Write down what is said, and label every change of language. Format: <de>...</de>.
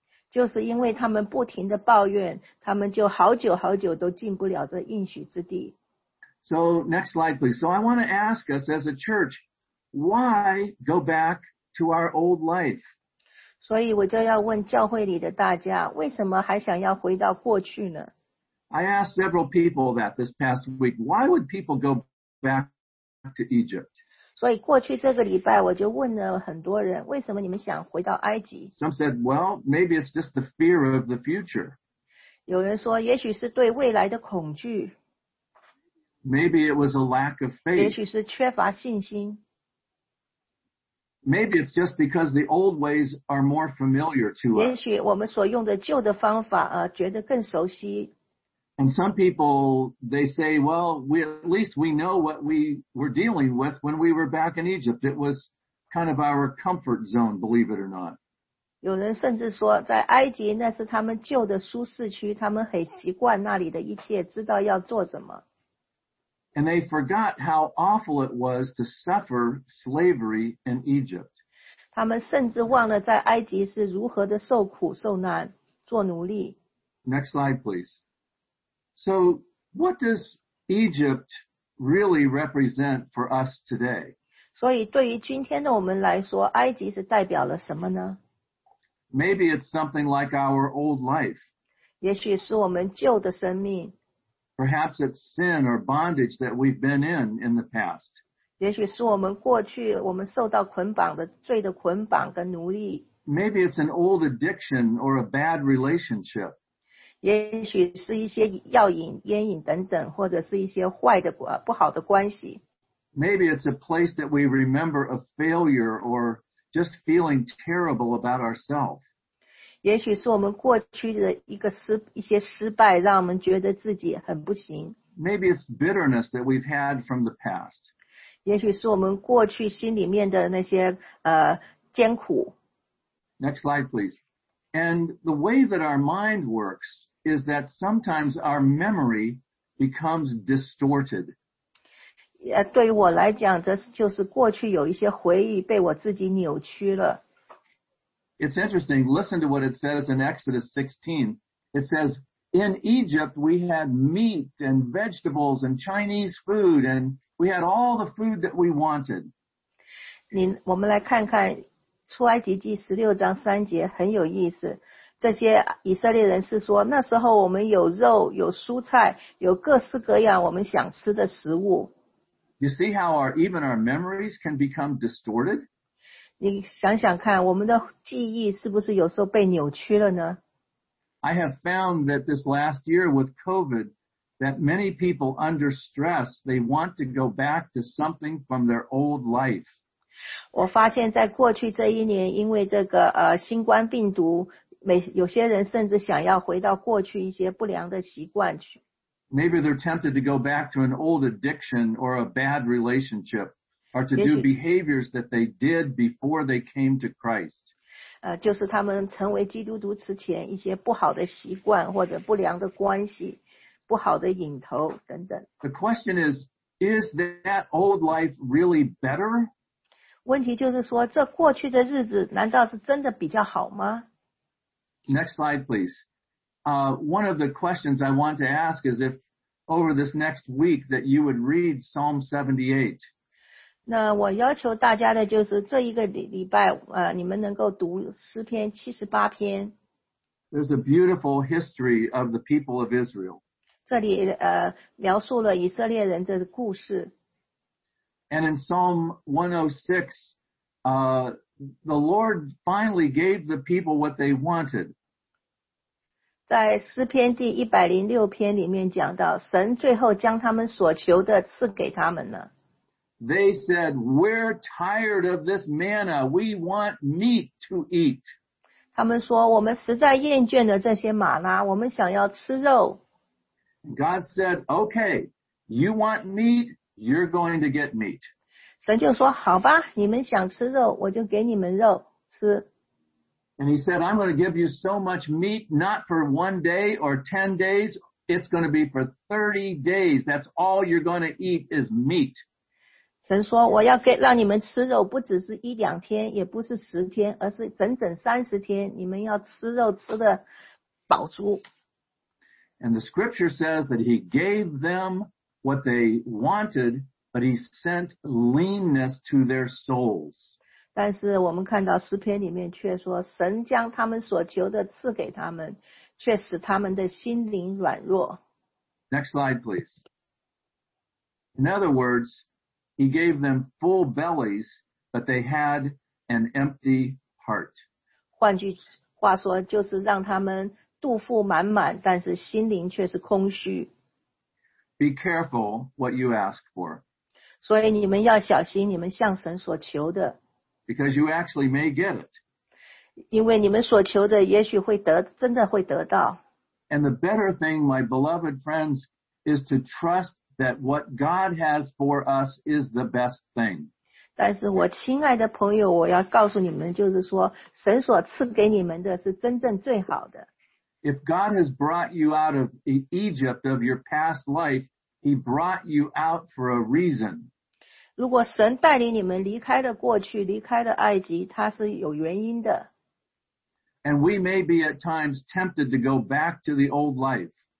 <zh>就是因为他们不停地抱怨，他们就好久好久都进不了这应许之地。</zh> <en>So next slide, please. So I want to ask us as a church, why go back to our old life?</en> <zh>所以我就要问教会里的大家，为什么还想要回到过去呢？</zh> <en>I asked several people that this past week. Why would people go back to Egypt?</en> <zh>所以过去这个礼拜我就问了很多人，为什么你们想回到埃及？</zh> <en>Some said, well, maybe it's just the fear of the future.</en> <zh>有人说也许是对未来的恐惧。</zh> <en>Maybe it was a lack of faith.</en> <zh>也许是缺乏信心。</zh> <en>Maybe it's just because the old ways are more familiar to us.</en> <zh>也许我们所用的旧的方法，觉得更熟悉。</zh> <en>And some people, they say, well, we, at least we know what we were dealing with when we were back in Egypt. It was kind of our comfort zone, believe it or not.</en> <zh>有人甚至说在埃及那是他们旧的舒适区，他们很习惯那里的一切，知道要做什么。</zh> <en>And they forgot how awful it was to suffer slavery in Egypt.</en> <zh>他们甚至忘了在埃及是如何的受苦受难做奴隶。</zh> <en>Next slide, please. So what does Egypt really represent for us today?</en> <zh>所以对于今天的我们来说，埃及是代表了什么呢？</zh> <en>Maybe it's something like our old life.</en> <zh>也许是我们旧的生命。</zh> <en>Perhaps it's sin or bondage that we've been in the past.</en> <zh>也许是我们过去我们受到捆绑的罪的捆绑跟奴隶。</zh> <en>Maybe it's an old addiction or a bad relationship.</en> <zh>也许是一些药瘾、烟瘾等等，或者是一些坏的、不好的关系。</zh> <en>Maybe it's a place that we remember a failure or just feeling terrible about ourselves.</en> <zh>也许是我们过去的一些失败，让我们觉得自己很不行。</zh> <en>Maybe it's bitterness that we've had from the past.</en> <zh>也许是我们过去心里面的那些艰苦。</zh> <en>Next slide, please. And the way that our mind works is that sometimes our memory becomes distorted.</en> <zh>对于我来讲，这就是过去有一些回忆被我自己扭曲了。</zh> <en>It's interesting. Listen to what it says in Exodus 16. It says, In Egypt, we had meat and vegetables and Chinese food, and we had all the food that we wanted.</en> <zh>我们来看看。出埃及记十六章三节很有意思，这些以色列人是说，那时候我们有肉，有蔬菜，有各式各样我们想吃的食物。</zh> <en>You see how even our memories can become distorted?</en> <zh>你想想看，我们的记忆是不是有时候被扭曲了呢？</zh> <en>I have found that this last year with COVID, that many people under stress, they want to go back to something from their old life.</en> <zh>我发现在过去这一年因为这个新冠病毒有些人甚至想要回到过去一些不良的习惯去。</zh> <en>Maybe they're tempted to go back to an old addiction or a bad relationship or to do behaviors that they did before they came to Christ.</en> <zh>就是他们成为基督徒之前一些不好的习惯或者不良的关系不好的瘾头等等。</zh> <en>The question is that old life really better?</en> <zh>问题就是说，这过去的日子难道是真的比较好吗？</zh> <en>Next slide, please. One of the questions I want to ask is if over this next week that you would read Psalm 78.</en> <zh>那我要求大家的就是这一个礼拜，你们能够读诗篇七十八篇。</zh> <en>There's a beautiful history of the people of Israel.</en> <zh>这里描述了以色列人的故事。</zh> <en>And in Psalm 106, the Lord finally gave the people what they wanted.</en> <zh>在诗篇第106篇里面讲到，神最后将他们所求的赐给他们了。</zh> <en>They said, we're tired of this manna. We want meat to eat.</en> <zh>他们说，我们实在厌倦了这些玛拉，我们想要吃肉。</zh> <en>God said, okay, you want meat? You're going to get meat.</en> <zh>神就说好吧你们想吃肉我就给你们肉吃。</zh> <en>And he said, I'm going to give you so much meat, not for one day or 10 days, it's going to be for 30 days. That's all you're going to eat is meat.</en> <zh>神说我要让你们吃肉不只是一两天也不是十天而是整整30天你们要吃肉吃的饱足。</zh> <en>And the scripture says that he gave them what they wanted, but he sent leanness to their souls.</en> <zh>但是我们看到诗篇里面却说神将他们所求的赐给他们却使他们的心灵软弱。</zh> <en>Next slide, please. In other words, he gave them full bellies, but they had an empty heart.</en> <zh>换句话说就是让他们肚腹满满但是心灵却是空虚。</zh> <en>Be careful what you ask for.</en> <zh>所以你们要小心你们向神所求的。</zh> <en>Because you actually may get it.</en> <zh>因为你们所求的也许会得真的会得到。</zh> <en>And the better thing, my beloved friends, is to trust that what God has for us is the best thing.</en> <zh>但是我亲爱的朋友我要告诉你们就是说神所赐给你们的是真正最好的。</zh> <en>If God has brought you out of Egypt of your past life, He brought you out for a reason.</en> <zh>如果神带领你们离开了过去，离开了埃及，它是有原因的。</zh> <en>And we may be at times tempted to go back to the old life.</en>